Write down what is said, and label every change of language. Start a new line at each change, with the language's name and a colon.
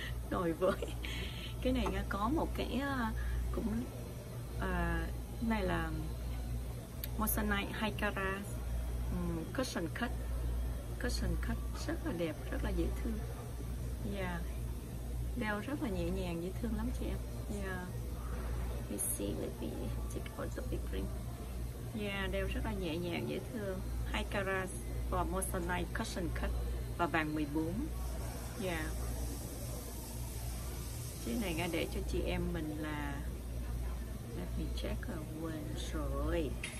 Vietnamese: Đổi với. Cái này Nga có một cái cũng này là Moissanite 2 carat cushion cut rất là đẹp, rất là dễ thương.
English: Yeah.
Vietnamese: Đeo rất là nhẹ nhàng, dễ thương lắm chị em. Yeah.
English: Let's see, let me check out the big ring. Yeah,
Vietnamese: đeo rất là nhẹ nhàng, dễ thương. 2 carat và Moissanite cushion cut và vàng 14. Yeah. Chiếc này Nga để cho chị em mình là,
English: let me check,
Vietnamese: quên rồi.